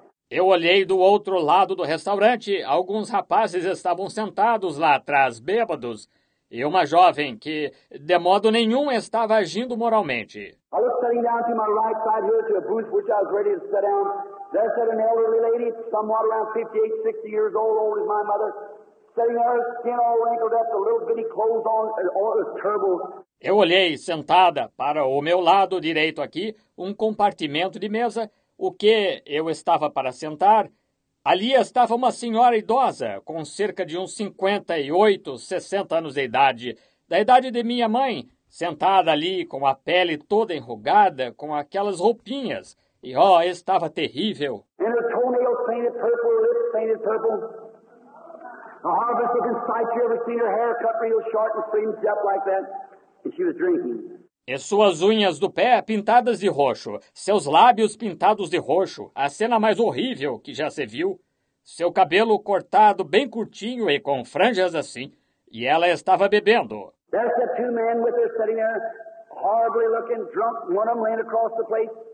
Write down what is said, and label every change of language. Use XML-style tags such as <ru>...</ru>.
<pt>Eu olhei do outro lado do restaurante, alguns rapazes estavam sentados lá atrás, bêbados, e uma jovem que, de modo nenhum, estava agindo moralmente. Eu estava sentado</pt> <en>down to my right side here to a booth which I was ready to sit down. There sat an elderly lady, somewhat around 58, 60 years old, old as my mother, sitting there, skin all wrinkled up, the little bitty clothes on, and all this turbo.</en> <pt>Eu olhei, sentada, para o meu lado direito aqui, um compartimento de mesa, o que eu estava para sentar. Ali estava uma senhora idosa, com cerca de uns 58, 60 anos de idade, da idade de minha mãe, sentada ali com a pele toda enrugada, com aquelas roupinhas. E, ó, estava terrível.</pt> <en>And her toenails painted purple, lips painted purple. The hardest looking sight you ever seen, her hair cut real short and fringed up like that. And she was drinking.</en> <pt>E suas unhas do pé pintadas de roxo, seus lábios pintados de roxo, a cena mais horrível que já se viu. Seu cabelo cortado bem curtinho e com franjas assim, e ela estava bebendo.</pt> <en>There's the two men with her sitting there, horribly looking, drunk, one of them laying across the place.</en>